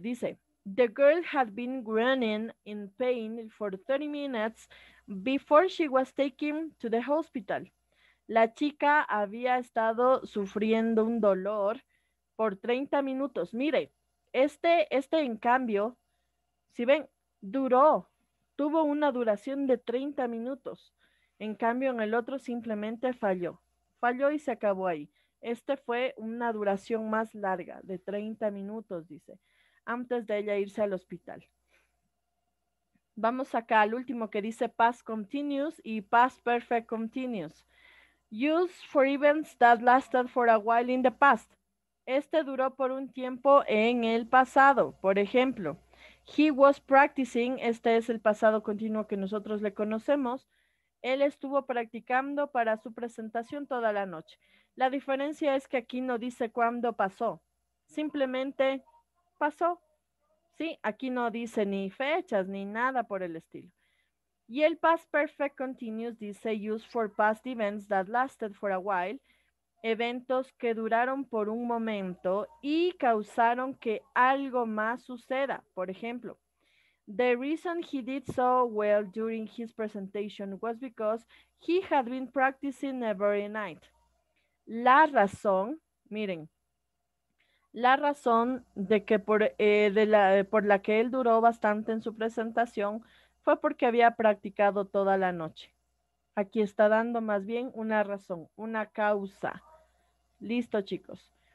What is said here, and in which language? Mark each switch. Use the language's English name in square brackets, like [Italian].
[Spanish] Dice, [English] the girl had been groaning in pain for 30 minutes before she was taken to the hospital. [Spanish] La chica había estado sufriendo un dolor por 30 minutos. Mire, este en cambio, si ven, duró, tuvo una duración de 30 minutos. En cambio, en el otro simplemente falló. Falló y se acabó ahí. Este fue una duración más larga, de 30 minutos, dice, antes de ella irse al hospital. Vamos acá al último que dice past continuous y past perfect continuous. [English] Use for events that lasted for a while in the past. [Spanish] Este duró por un tiempo en el pasado. Por ejemplo, [English] he was practicing. [Spanish] Este es el pasado continuo que nosotros le conocemos. Él estuvo practicando para su presentación toda la noche. La diferencia es que aquí no dice cuándo pasó. Simplemente pasó. Sí, aquí no dice ni fechas ni nada por el estilo. Y el [English] past perfect continuous [Spanish] dice [English] use for past events that lasted for a while. [Spanish] Eventos que duraron por un momento y causaron que algo más suceda. Por ejemplo, [English] the reason he did so well during his presentation was because he had been practicing every night. [Spanish] La razón, miren, la razón de que por la que él duró bastante en su presentación fue porque había practicado toda la noche. Aquí está dando más bien una razón, una causa. Listo, chicos.